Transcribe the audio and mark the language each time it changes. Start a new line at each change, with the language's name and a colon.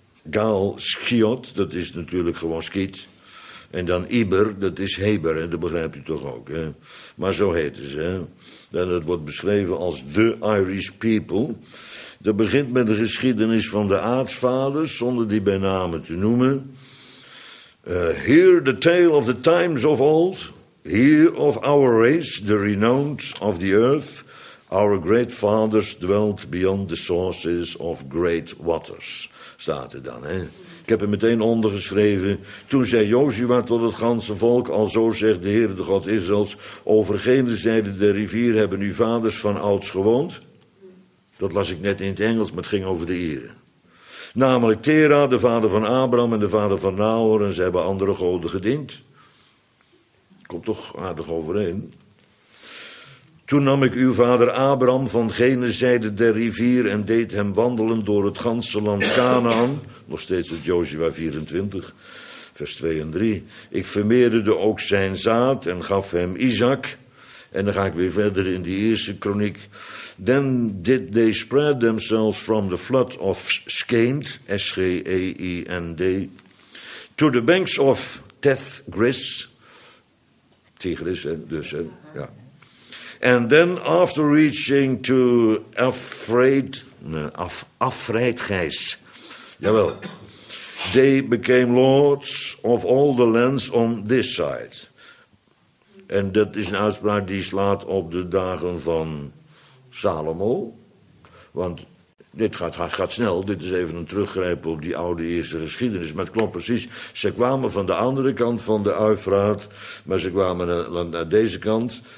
Dutch: Gaal, Skiot, dat is natuurlijk gewoon Skiet. En dan Iber, dat is Heber, hè? Dat begrijp je toch ook. Hè? Maar zo heten ze. Hè? En dat wordt beschreven als de
English: Irish people.
Dutch: Dat begint met de geschiedenis van de aartsvaders, zonder die bij name te noemen.
English: Hear the tale of the times of old. Hear of our race, the renowned of the earth. Our great fathers dwelt beyond the sources of great waters.
Dutch: Staat er dan, hè. Ik heb er meteen onder geschreven. Toen zei Jozua tot het ganse volk, al zo zegt de Heer de God Israëls, over gene zijde der rivier hebben uw vaders van ouds gewoond. Dat las ik net in het Engels, maar het ging over de Ieren. Namelijk Tera, de vader van Abraham en de vader van Nahor, en ze hebben andere goden gediend. Komt toch aardig overeen. Toen nam ik uw vader Abraham van gene zijde der rivier en deed hem wandelen door het ganse land Canaan. Nog steeds uit Jozua 24, vers 2 en 3. Ik vermeerderde ook zijn zaad en gaf hem Isaac. En dan ga ik weer verder in die eerste kroniek.
English: Then did they spread themselves from the flood of Skeend, S-G-E-I-N-D, to the banks of Tethgris. Tigris,
Dutch: hè, dus, hè, ja.
English: And then after reaching to Afraid, Afraidgeis.
Dutch: Jawel.
English: They became lords of all the lands on this side.
Dutch: En dat is een uitspraak die slaat op de dagen van Salomo. Want Dit gaat snel. Dit is even een teruggrijpen op die oude eerste geschiedenis. Maar het klopt precies. Ze kwamen van de andere kant van de Eufraat. Maar ze kwamen naar deze kant.